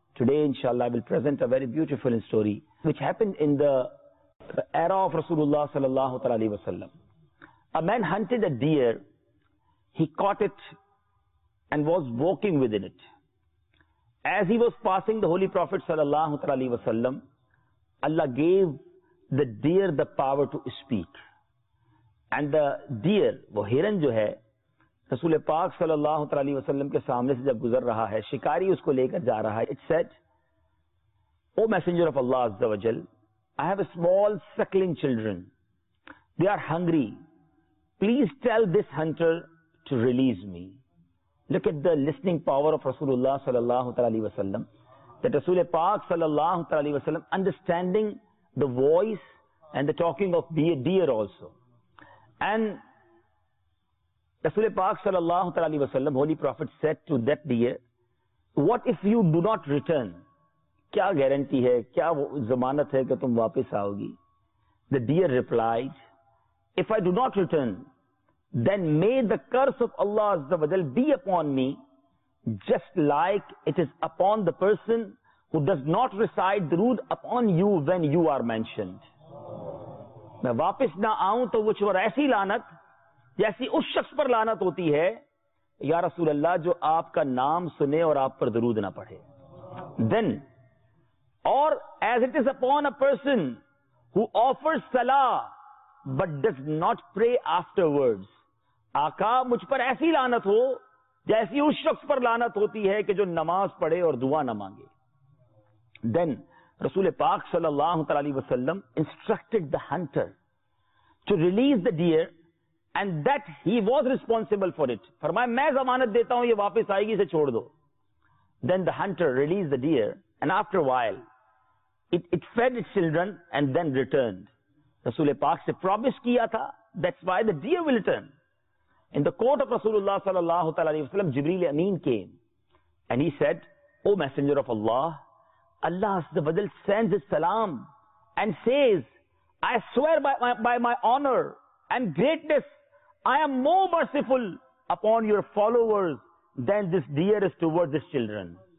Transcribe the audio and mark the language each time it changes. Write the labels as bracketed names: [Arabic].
[English] Today, inshallah, I will present a very beautiful story which happened in the era of Rasulullah sallallahu alaihi wasallam. A man hunted a deer. He caught it and was walking within it. As he was passing the Holy Prophet sallallahu alaihi wasallam, Allah gave the deer the power to speak. And the deer, [Urdu] وہ ہرن جو ہے رسول پاک صلی اللہ علیہ وسلم کے سامنے سے جب گزر رہا ہے شکاری اس کو لے کر جا رہا ہے [English] It said, O messenger of Allah عز و جل I have a small suckling children. They are hungry. Please tell this hunter to release me. Look at the listening power of رسول اللہ صلی اللہ علیہ وسلم that رسول پاک صلی اللہ علیہ وسلم understanding the voice and the talking of deer also. And Rasul-e-Pak sallallahu alaihi wasallam, Holy Prophet said to that deer, what if you do not return? [Urdu] Kya guarantee hai? Kya zamanat hai ki tum wapis aaogi? [English] The deer replied, if I do not return, then may the curse of Allah azza wa jal be upon me, just like it is upon the person who does not recite durood upon you when you are mentioned. [Urdu] میں واپس نہ آؤں تو وہ چور ایسی لعنت جیسی اس شخص پر لعنت ہوتی ہے یا رسول اللہ جو آپ کا نام سنے اور آپ پر درود نہ پڑھے [English] then اور as it is upon a person who offers صلاة but does not pray afterwards [Urdu] آقا مجھ پر ایسی لعنت ہو جیسی اس شخص پر لعنت ہوتی ہے کہ جو نماز پڑھے اور دعا نہ مانگے [English] then رسول پاک صلی اللہ علیہ وسلم instructed the hunter to release the deer and that he was responsible for it. [Urdu] فرمایا میں ضمانت دیتا ہوں یہ واپس آئے گی اسے چھوڑ دو. [English] Then the hunter released the deer and after a while it fed its children and then returned. [Urdu] رسول پاک سے promise کیا تھا [English] that's why the deer will return. In the court of رسول اللہ صلی اللہ علیہ وسلم جبریل امین came and he said O messenger of Allah Allah Azza wa Jal sends his salam and says, I swear by my honor and greatness, I am more merciful upon your followers than this deer is towards his children.